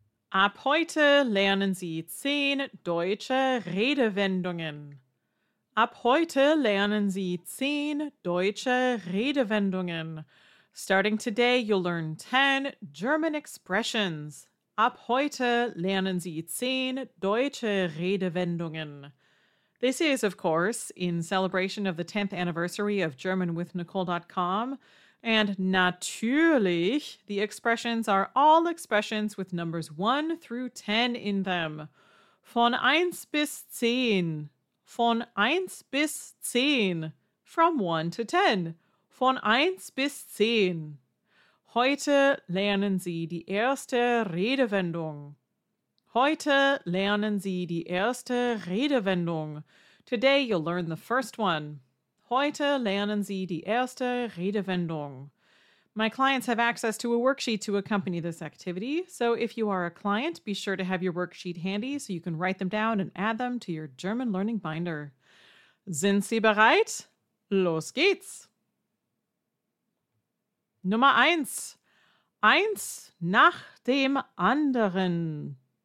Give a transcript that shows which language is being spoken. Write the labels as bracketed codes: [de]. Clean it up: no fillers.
[de] Ab heute lernen Sie 10 deutsche Redewendungen. Ab heute lernen Sie 10 deutsche Redewendungen. [en] Starting today, you'll learn 10 German expressions. [de] Ab heute lernen Sie 10 deutsche Redewendungen. [en] This is, of course, in celebration of the 10th anniversary of GermanWithNicole.com. And natürlich, the expressions are all expressions with numbers 1 through 10 in them. [de] Von 1 bis 10. Von 1 bis 10. [en] From 1 to 10. [de] Von 1 bis 10. Heute lernen Sie die erste Redewendung. Heute lernen Sie die erste Redewendung. [en] Today you'll learn the first one. [de] Heute lernen Sie die erste Redewendung. [en] My clients have access to a worksheet to accompany this activity, so if you are a client, be sure to have your worksheet handy so you can write them down and add them to your German learning binder. [de] Sind Sie bereit? Los geht's! Nummer 1. Eins nach dem anderen.